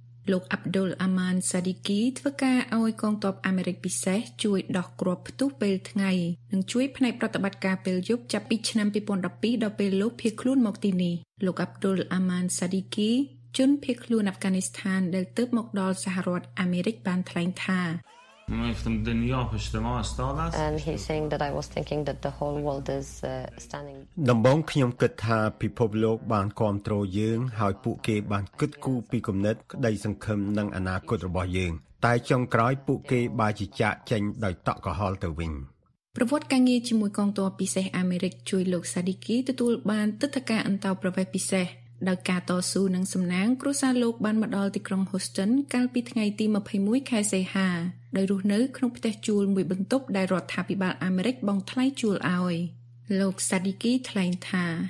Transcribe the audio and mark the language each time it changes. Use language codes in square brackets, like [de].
[km] លោក Abdul Aman Sadiqi ធ្វើការឲ្យកងទ័ពអាមេរិកពិសេសជួយដោះគ្រាប់ផ្ទុះពេលថ្ងៃនិងជួយផ្នែកប្រតិបត្តិការពេលយប់ចាប់ពីឆ្នាំ2012ដល់ពេលលោកភៀសខ្លួនមកទីនេះលោក Abdul Aman Sadiqi ជនភៀសខ្លួនអាហ្វហ្គានីស្ថានដែលទើបមកដល់សហរដ្ឋអាមេរិកបានថ្លែងថា [en] and he's saying that I was thinking that the whole world is standing [km] ដំបងខ្ញុំគិតថាពិភពលោកបានគ្រប់គ្រងយើងហើយពួកគេបានគិតគូរពីគំនិតក្តីសង្ឃឹមនិងអនាគតរបស់យើងតែចុងក្រោយពួកគេបានជាចាក់ចេញដោយតក់ក្រហល់ទៅវិញ ប្រវត្តិការងារជាមួយកងទ័ពពិសេសអាមេរិកជួយលោកសាឌីគីទទួលបានទឹកដីការអន្តរប្រវេសន៍ពិសេសដោយការតស៊ូនឹងសំណាងគ្រួសារលោកបានមកដល់ទីក្រុង Houston កាលពីថ្ងៃទី21ខែសីហាដោយរស់នៅក្នុងផ្ទះជួលមួយបន្ទប់ដែលរដ្ឋាភិបាលអាមេរិកបង់ថ្លៃជួលឲ្យលោក Sadiqi ថ្លែងថា